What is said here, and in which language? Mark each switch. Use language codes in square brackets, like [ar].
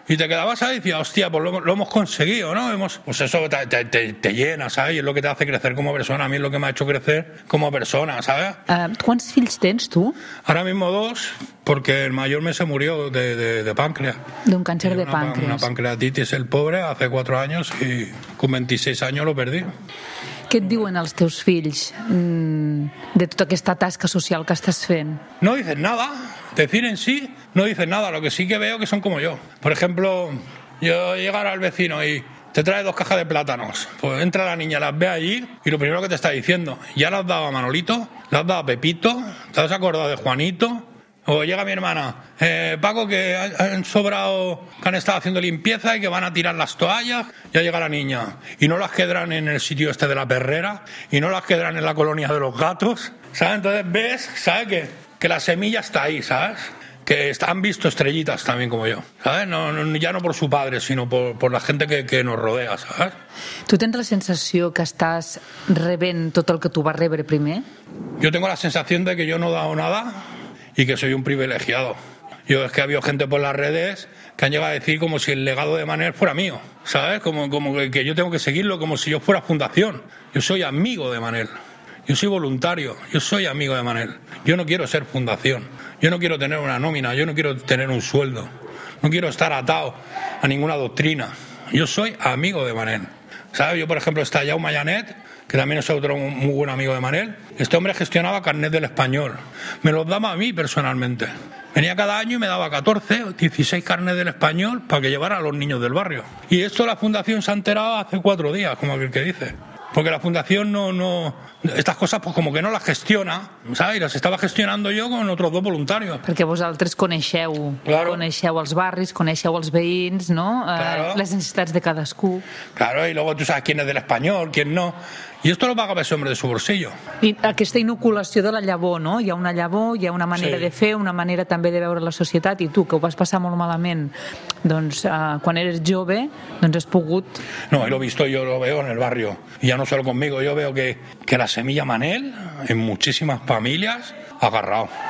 [es] Y te quedabas ahí y decías, hostia, pues lo hemos conseguido, ¿no? Pues eso te llena, ¿sabes? Y es lo que te hace crecer como persona. A mí es lo que me ha hecho crecer como persona, ¿sabes? [ca] ¿Cuántos fills tens tú? [es] Ahora mismo 2, porque el mayor me se murió de páncreas. De un cáncer de páncreas. Una pancreatitis, el pobre, hace 4 años y con 26 años lo perdí. [ca] Què et diuen els teus fills de tota aquesta tasca social que estàs fent? [es] No dicen nada. Decir en sí, no dicen nada. Lo que sí que veo que son como yo. Por ejemplo, yo llegar al vecino y te trae 2 cajas de plátanos. Pues entra la niña, las ve allí y lo primero que te está diciendo, ya las has dado a Manolito, las has dado a Pepito, ¿te has acordado de Juanito? O llega mi hermana, Paco, que han sobrado, que han estado haciendo limpieza y que van a tirar las toallas. Ya llega la niña. Y no las quedarán en el sitio este de la perrera. Y no las quedarán en la colonia de los gatos. ¿Sabes? Entonces ves, ¿sabes? Que la semilla está ahí, ¿sabes? que han visto estrellitas también como yo, ¿sabes? No, no, ya no por su padre, sino por la gente que nos rodea, ¿sabes? [ca] ¿Tú tens la sensació que estàs rebent tot el que tu vas rebre primer? [es] Yo tengo la sensación de que yo no he dado nada y que soy un privilegiado. Yo es que ha habido gente por las redes que han llegado a decir como si el legado de Manel fuera mío, ¿sabes? Como que yo tengo que seguirlo como si yo fuera fundación. Yo soy amigo de Manel. Yo soy voluntario. Yo soy amigo de Manel. Yo no quiero ser fundación. Yo no quiero tener una nómina. Yo no quiero tener un sueldo. No quiero estar atado a ninguna doctrina. Yo soy amigo de Manel. ¿Sabes? Yo, por ejemplo, está Jaume Janet, que también es otro muy buen amigo de Manel. Este hombre gestionaba Carnet del Español. Me los daba a mí personalmente. Venía cada año y me daba 14 o 16 carnets del Español para que llevara a los niños del barrio. Y esto la Fundación se ha enterado hace 4 días, como aquel que dice. Porque la Fundación no estas cosas pues como que no las gestiona, ¿sabes? Y las estaba gestionando yo con otros dos voluntarios. [ca] Perquè vosaltres coneixeu, [es] claro. [ca] Coneixeu els barris, coneixeu els veïns, no? [es] Claro. [ca] Les necessitats de cadascú. [es] Claro, y luego tú sabes quién es del Español, quién no. Y esto lo pagaba ese hombre de su bolsillo. [ca] I aquesta inoculació de la llavor, no? Hi ha una llavor, hi ha una manera [es] sí. [ca] De fer, una manera també de veure la societat. I tu, que ho vas passar molt malament, doncs, quan eres jove, doncs has pogut... [es] No, lo he visto, yo lo veo en el barrio. Y ya no solo conmigo, yo veo que la semilla Manel, en muchísimas familias, ha agarrado.